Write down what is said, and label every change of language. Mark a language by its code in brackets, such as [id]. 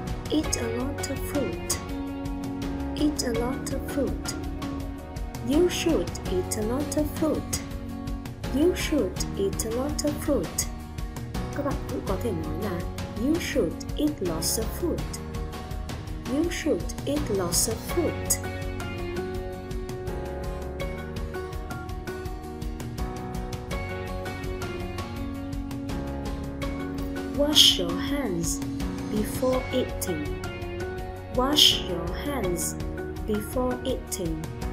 [en] Eat a lot of fruit. Eat a lot of fruit. You should eat a lot of fruit. You should eat a lot of fruit. [vi] Các bạn cũng có thể nói là [en] you should eat lots of fruit. You should eat lots of fruit. Wash your hands before eating. Wash your hands before eating.